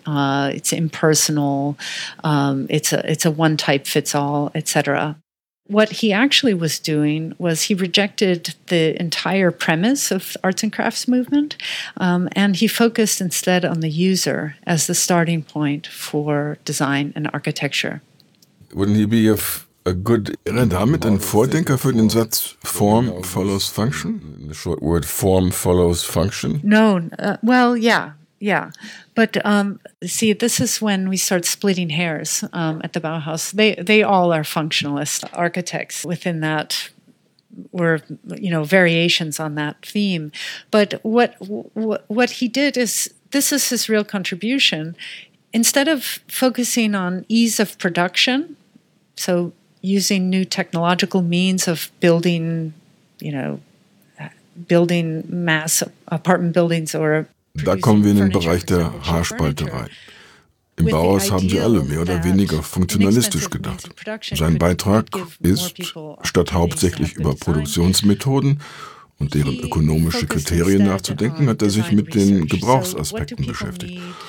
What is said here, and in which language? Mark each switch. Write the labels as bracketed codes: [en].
[en] It's impersonal. It's a one type fits all, etc. What he actually was doing was he rejected the entire premise of the arts and crafts movement, and he focused instead on the user as the starting point for design and architecture. Wouldn't he be a good [de] damit ein Vordenker für den Satz [en] form follows function? In the short word, form follows function? No, well, yeah. Yeah, but see, this is when we start splitting hairs at the Bauhaus. They all are functionalist architects within that, were, you know, variations on that theme. But what he did is, this is his real contribution. Instead of focusing on ease of production, so using new technological means of building, you know, building mass apartment buildings or... [de] Da kommen wir in den Bereich der Haarspalterei. Im Bauhaus haben sie alle mehr oder weniger funktionalistisch gedacht. Sein Beitrag ist, statt hauptsächlich über Produktionsmethoden und deren ökonomische Kriterien nachzudenken, hat er sich mit den Gebrauchsaspekten beschäftigt.